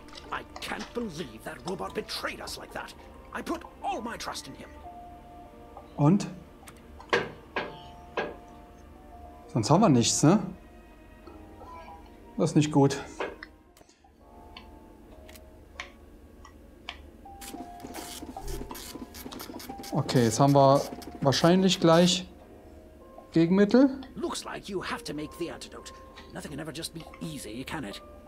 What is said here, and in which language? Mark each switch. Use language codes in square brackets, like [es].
[en] I can't believe that robot betrayed us like that. I put all my trust in him. [de] Und sonst haben wir nichts, ne? Das ist nicht gut. Okay, jetzt haben wir wahrscheinlich gleich Gegenmittel. [en] Looks like you have to make the antidote. Nothing can ever just be easy, can it?